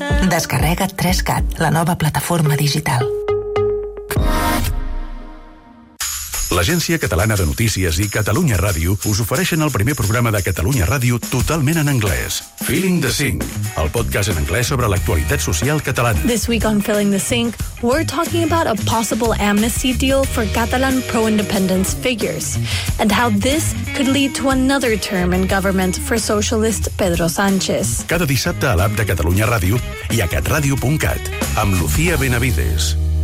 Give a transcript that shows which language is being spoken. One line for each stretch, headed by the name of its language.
Catalan: Descarrega't 3CAT, la nova plataforma digital. L'Agència Catalana de Notícies i Catalunya Ràdio us ofereixen el primer programa de Catalunya Ràdio totalment en anglès. Feeling the Sync, el podcast en anglès sobre l'actualitat social catalana.
English: This week on Feeling the Sync, we're talking about a possible amnesty deal for Catalan pro-independence figures and how this could lead to another term in government for socialist Pedro Sánchez.
Catalan: Cada dissabte a l'app de Catalunya Ràdio i a catradio.cat amb Lucía Benavides.